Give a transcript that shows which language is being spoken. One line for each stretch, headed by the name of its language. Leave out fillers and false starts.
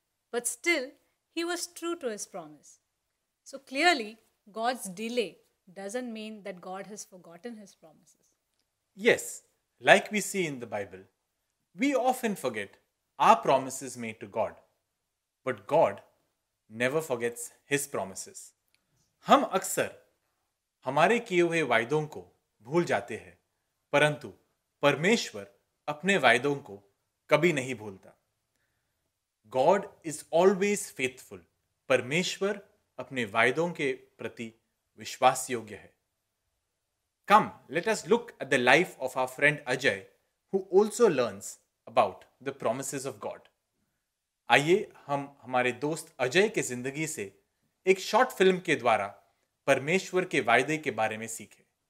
English: But still, he was true to his promise. So clearly, God's delay doesn't mean that God has forgotten his promises. Yes, like we see in the Bible, we often forget our promises made to God. But God never forgets his promises.
Hindi: हम अक्सर हमारे किए हुए वायदों को भूल जाते हैं, परंतु परमेश्वर अपने वायदों को कभी नहीं भूलता.
English: God is always faithful.
Hindi: परमेश्वर अपने वायदों के प्रति विश्वास योग्य है.
English: Come, let us look at the life of our friend Ajay, who also learns about the promises of God.
Hindi: आइए हम हमारे दोस्त अजय के जिंदगी से एक शॉर्ट फिल्म के द्वारा परमेश्वर के वायदे के बारे में सीखें.